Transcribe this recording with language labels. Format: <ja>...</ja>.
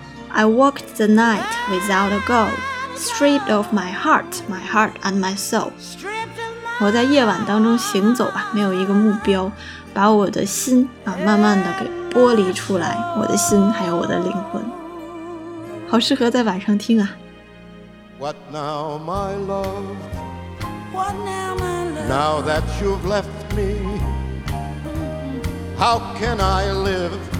<en>I walked the night without a goal, stripped of my heart, my heart and my soul.</en> <zh>我在夜晚当中行走啊，没有一个目标，把我的心啊慢慢的给剥离出来，我的心还有我的灵魂，好适合在晚上听啊。</zh> <en>What now, my love? What now, my love? Now that you've left me, how can I live?</en>